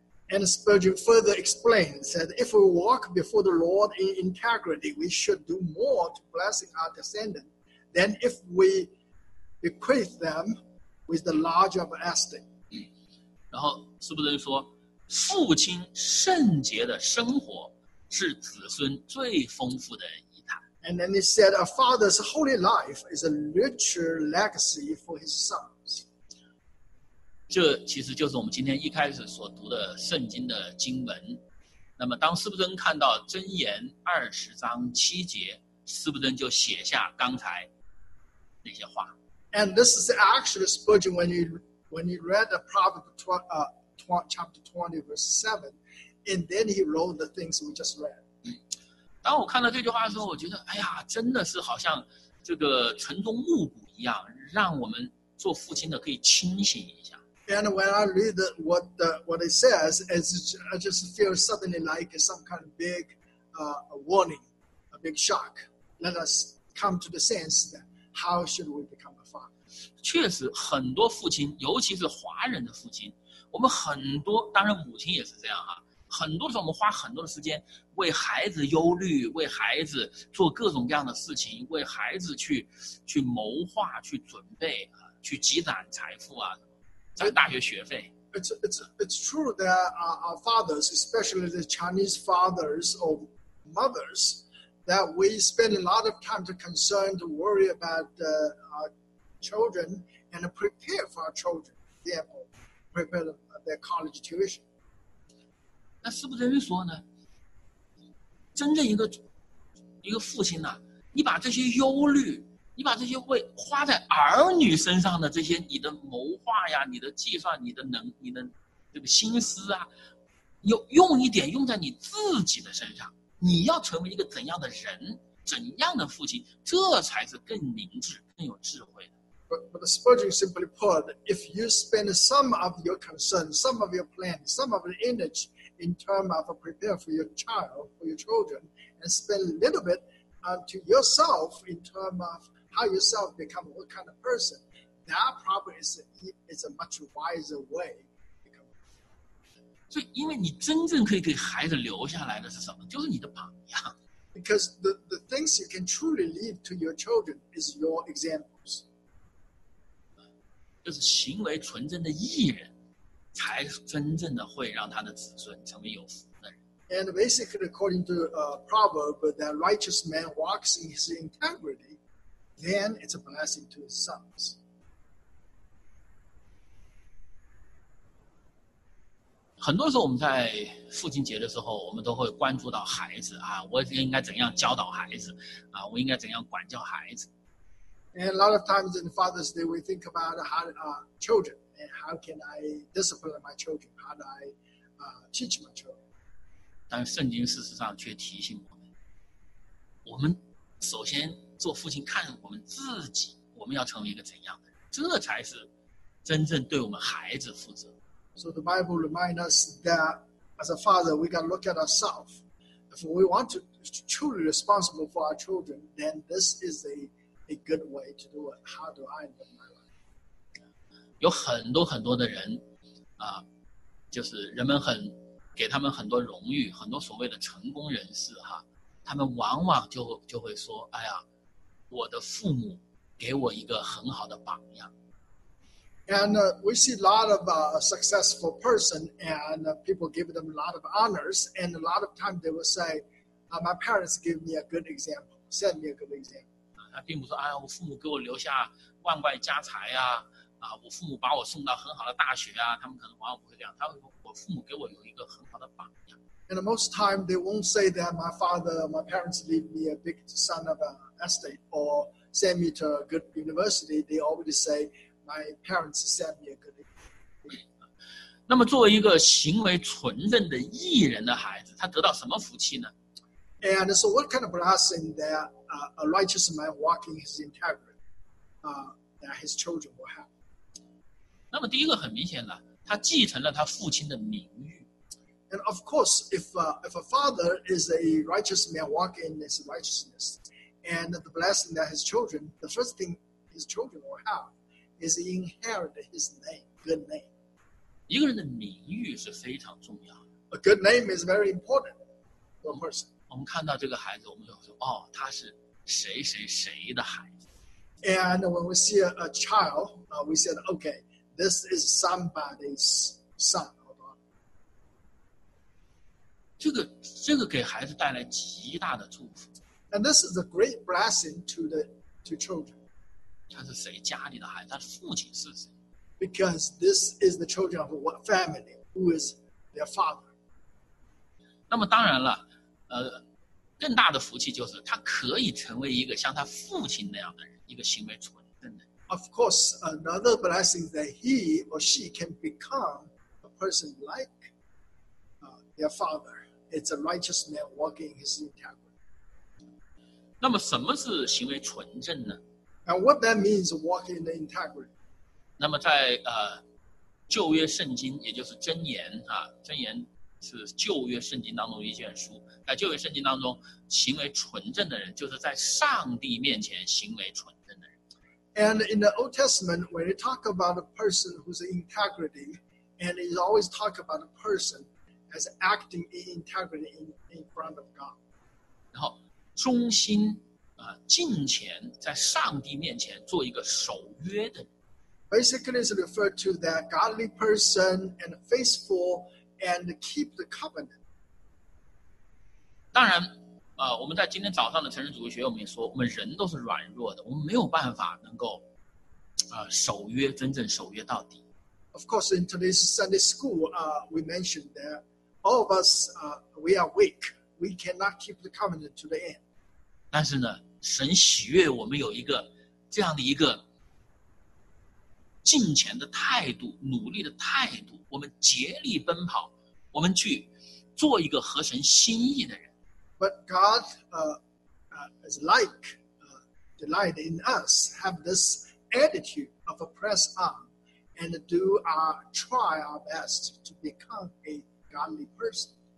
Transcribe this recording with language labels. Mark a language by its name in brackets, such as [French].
[English] And Spurgeon further explains that if we walk before the Lord in integrity, we should do more to bless our descendants than if we bequeath them with the larger of estate. [Chinese] 然后斯布顿说，父亲圣洁的生活是子孙最丰富的遗产。 [English] And then he said, a father's holy life is a richer legacy for his son. [Chinese] 这其实就是我们今天一开始所读的圣经的经文。那么当斯布顿看到箴言二十章七节，斯布顿就写下刚才那些话。 [English] And this is actually Spurgeon when he read the Proverbs chapter 20 verse 7 and then he wrote the things we just read. [Chinese] 当我看到这句话的时候，我觉得哎呀，真的是好像这个晨钟暮鼓一样，让我们做父亲的可以清醒一下。 [English] And when I read what it says, I just feel suddenly like some kind of big warning, a big shock. Let us come to the sense that how should we become a father? [Chinese] 确实很多父亲，尤其是华人的父亲，我们很多，当然母亲也是这样啊，很多时候我们花很多的时间为孩子忧虑，为孩子做各种各样的事情，为孩子去谋划，去准备，去积攒财富啊。 [English] It's true that our fathers, especially the Chinese fathers or mothers, that we spend a lot of time to concern, to worry about our children and to prepare for our children, for example, prepare their college tuition. [Chinese] 那斯布顿说呢，真正一个父亲呢，你把这些忧虑，你把这些会花在儿女身上的这些你的谋划呀，你的计算，你的能，你的这个心思啊，用一点用在你自己的身上，你要成为一个怎样的人，怎样的父亲，这才是更明智更有智慧的。 [English] But Spurgeon simply put, if you spend some of your concern, some of your plan, some of the energy in terms of prepare for your child, for your children, and spend a little bit to yourself in terms of how yourself become what kind of person, that probably is a much wiser way. [Chinese] 所以因为你真正可以给孩子留下来的是什么，就是你的榜样。 [English] Because the things you can truly leave to your children is your examples. [Chinese] 就是行为纯真的义人才真正的会让他的子孙成为有福的人。 [English] And basically according to a proverb, that righteous man walks in his integrity, then it's a blessing to his sons. [Chinese] 很多时候我们在父亲节的时候，我们都会关注到孩子啊，我应该怎样教导孩子啊，我应该怎样管教孩子。 [English] And a lot of times in Father's Day, we think about children. And how can I discipline my children? How do I teach my children? [Chinese] 但圣经事实上却提醒我们，我们首先做父亲，看我们自己，我们要成为一个怎样的人，这才是真正对我们孩子负责。 [English] So the Bible reminds us that as a father, we got to look at ourselves. If we want to be truly responsible for our children, then this is a good way to do it. How do I live my life? [Chinese] 有很多很多的人啊，就是人们很给他们很多荣誉，很多所谓的成功人士哈，他们往往就会说，哎呀，我的父母给我一个很好的榜样。 [English] And we see a lot of successful person and people give them a lot of honors, and a lot of time they will say, my parents give me a good example, set me a good example. [Chinese] 他并不说，哎呀，我父母给我留下万贯家财啊，啊，我父母把我送到很好的大学啊，他们可能往往不会这样，他会说，我父母给我有一个很好的榜样。 [English] And most time they won't say that my father, my parents leave me a big son of an estate or send me to a good university, they already say,My parents sent me a good example. [Chinese] 那么作为一个行为纯正的义人的孩子，他得到什么福气呢？ [English] And so what kind of blessing that a righteous man walking his integrity that his children will have? [Chinese] 那么第一个很明显了，他继承了他父亲的名誉。 [English] And of course, if a father is a righteous man walking in his righteousness, and the blessing that his children, the first thing his children will have,is inherit his name, good name. [Chinese] 一个人的名誉是非常重要的。 [English] A good name is very important for a person. [Chinese] 我们看到这个孩子，我们就说，哦，他是谁谁谁的孩子。 [English] And when we see a child, we said, okay, this is somebody's son or daughter. [Chinese] 这个给孩子带来极大的祝福。 [English] And this is a great blessing to children. [Chinese] 他是谁家里的孩子，他的父亲是谁。 [English] Because this is the children of what family, who is their father. [Chinese] 那么当然了，更大的福气就是他可以成为一个像他父亲那样的人，一个行为纯正的。 [English] Of course, another blessing that he or she can become a person like their father. It's a righteous man walking his integrity. [Chinese] 那么什么是行为纯正呢？ [English] And what that means, walking in the integrity. [Chinese] 那么在旧约圣经，也就是箴言啊，箴言是旧约圣经当中一卷书。在旧约圣经当中，行为纯正的人，就是在上帝面前行为纯正的人。 [English] And in the Old Testament, when you talk about a person who's in integrity, and you always talk about a person as acting in integrity in front of God. [Chinese] 然后忠心。敬虔在上帝面前做一个守约的人。 [English] Basically, it's referred to that godly person and faithful and keep the covenant. [Chinese] 当然，我们在今天早上的成人主义学，我们也说，我们人都是软弱的，我们没有办法能够，守约，真正守约到底。 [English] Of course, in today's Sunday school, we mentioned that all of us, we are weak. We cannot keep the covenant to the end. [Chinese] 但是呢，神喜悦我们有一个这样的一个敬虔的态度，努力的态度，我们竭力奔跑，我们去做一个合神心意的人。 [English] But God is like delight in us, have this attitude of a press on and do our try our best to become a godly person.